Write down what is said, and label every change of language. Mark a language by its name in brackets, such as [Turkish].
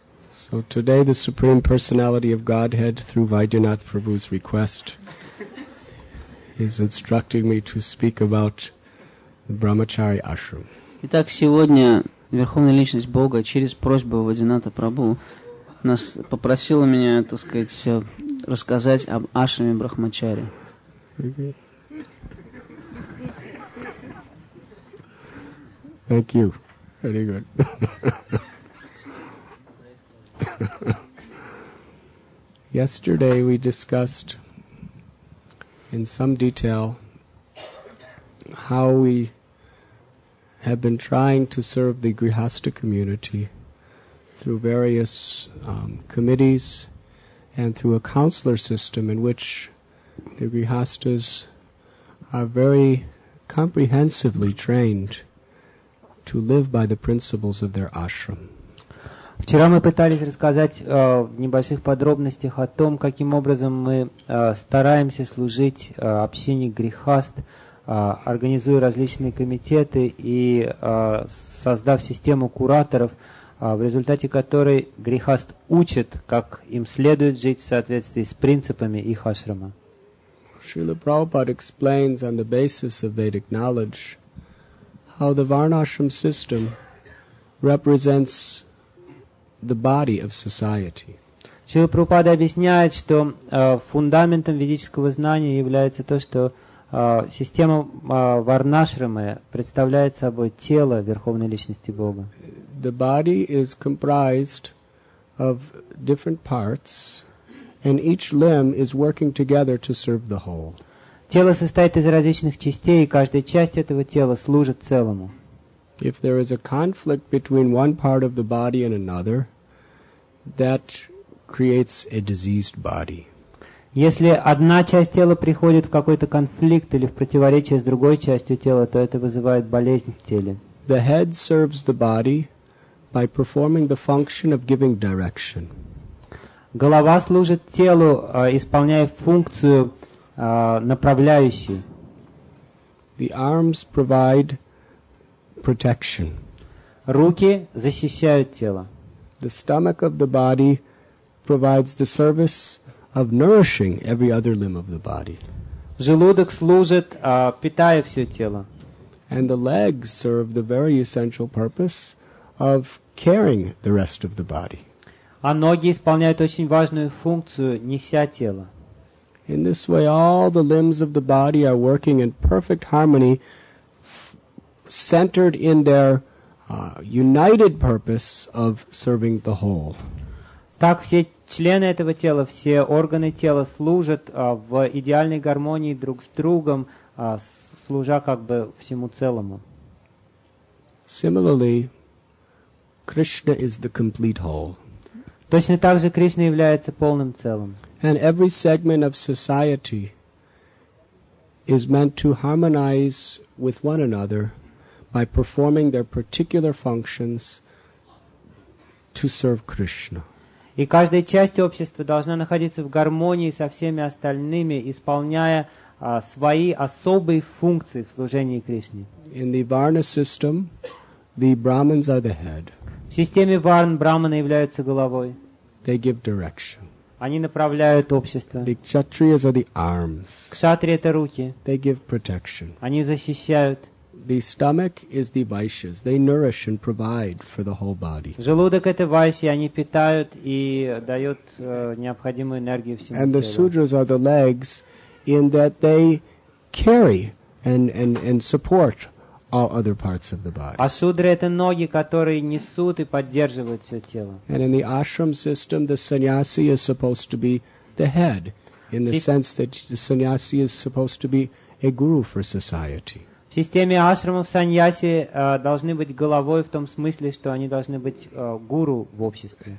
[English] So today the Supreme Personality of Godhead, through Vaidyanath Prabhu's request, is instructing me to speak about the Brahmachari Ashram. [Russian] Итак, сегодня Верховная Личность Бога через просьбу Вайдинатха Прабху нас попросила меня, так сказать, рассказать об ашраме Брахмачари. [English] Thank you. Very good. Yesterday we discussed in some detail how we have been trying to serve the Grihastha community through various committees and through a counselor system in which the Grihasthas are very comprehensively trained to live by the principles of their ashram. [Russian] Вчера мы пытались рассказать в небольших подробностях о том, каким образом мы стараемся служить общине грихаст, организуя различные комитеты и создав систему кураторов, в результате которой грихаст учит, как им следует жить в соответствии с принципами их ашрама. [English] Шрила Прабхупада explains on the basis of Vedic knowledge how the Varnashram system represents the body of society. [Russian] Шрила Прабхупада объясняет, что фундаментом ведического знания является то, что система Варнашрамы представляет собой тело Верховной Личности Бога. [English] The body is comprised of different parts, and each limb is working together to serve the whole. [Russian] Тело состоит из различных частей, и каждая часть этого тела служит целому. [English] If there is a conflict between one part of the body and another, that creates a diseased body. [Russian] Если одна часть тела приходит в какой-то конфликт или в противоречие с другой частью тела, то это вызывает болезнь в теле. [English] The head serves the body by performing the function of giving direction. [Russian] Голова служит телу, исполняя функцию направляющей. [English] The arms provide protection. [Russian] Руки защищают тело. [English] The stomach of the body provides the service of nourishing every other limb of the body. [Russian] Желудок служит, питая все тело. [English] And the legs serve the very essential purpose of carrying the rest of the body. [Russian] А ноги исполняют очень важную функцию, неся тело. [English] In this way, all the limbs of the body are working in perfect harmony, centered in their united purpose of serving the whole. [Russian] Так все члены этого тела, все органы тела служат в идеальной гармонии друг с другом, служа как бы всему целому. [English] Similarly, Krishna is the complete whole. [Russian] Точно так же Кришна является полным целым. [English] And every segment of society is meant to harmonize with one another by performing their particular functions to serve Krishna. [Russian] И каждая часть общества должна находиться в гармонии со всеми остальными, исполняя свои особые функции в служении Кришне. [English] In the Varna system, the Brahmins are the head. [Russian] В системе Варн Брахманы являются головой. [English] They give direction. [Russian] Они направляют общество. [English] The Kshatriyas are the arms. [Russian] Кшатрии — это руки. [English] They give protection. [Russian] Они защищают. [English] The stomach is the vaishyas. They nourish and provide for the whole body. [Russian] Желудок — это вайши, они питают и дают необходимую энергию всему телу. [English] And the sudras are the legs, in that they carry and support all other parts of the body. [Russian] А судры — это ноги, которые несут и поддерживают все тело. [English] And in the ashram system, the sannyasi is supposed to be the head, in the sense that the sannyasi is supposed to be a guru for society. [Russian] В системе ашрамов саньяси должны быть головой в том смысле, что они должны быть гуру в обществе.